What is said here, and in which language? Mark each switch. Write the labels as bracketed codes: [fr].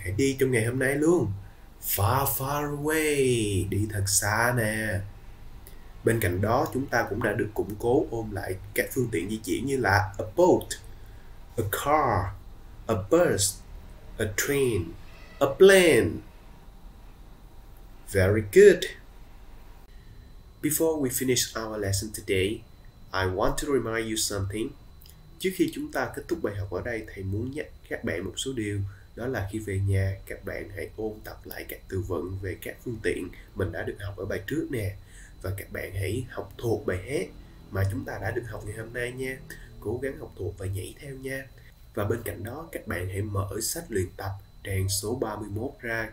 [vi] Hãy đi trong ngày hôm nay luôn. [en] Far, far away. [vi] Đi thật xa nè. Bên cạnh đó, chúng ta cũng đã được củng cố ôm lại các phương tiện di chuyển như là a boat, a car, a bus, a train, a plane. [en] Very good. Before we finish our lesson today, I want to remind you something. [vi] Trước khi chúng ta kết thúc bài học ở đây, thầy muốn nhắc các bạn một số điều. Đó là khi về nhà, các bạn hãy ôn tập lại các từ vựng về các phương tiện mình đã được học ở bài trước nè. Và các bạn hãy học thuộc bài hát mà chúng ta đã được học ngày hôm nay nha. Cố gắng học thuộc và nhảy theo nha. Và bên cạnh đó, các bạn hãy mở sách luyện tập trang số 31 ra.